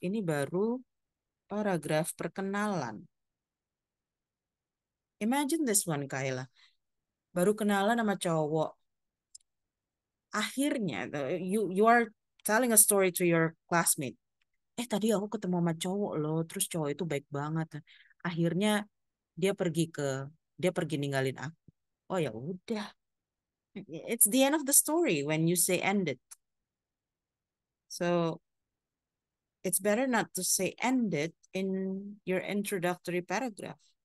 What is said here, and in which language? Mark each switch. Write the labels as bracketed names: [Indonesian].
[Indonesian] Ini baru paragraf perkenalan. [English] Imagine this one, [Indonesian] Kayla. Baru kenalan sama cowok. Akhirnya, [English] you are telling a story to your classmate. [Indonesian] Tadi aku ketemu sama cowok loh, terus cowok itu baik banget. Akhirnya dia pergi ninggalin aku. Oh ya udah. [English] It's the end of the story when you say ended. So it's better not to say ended in your introductory paragraph.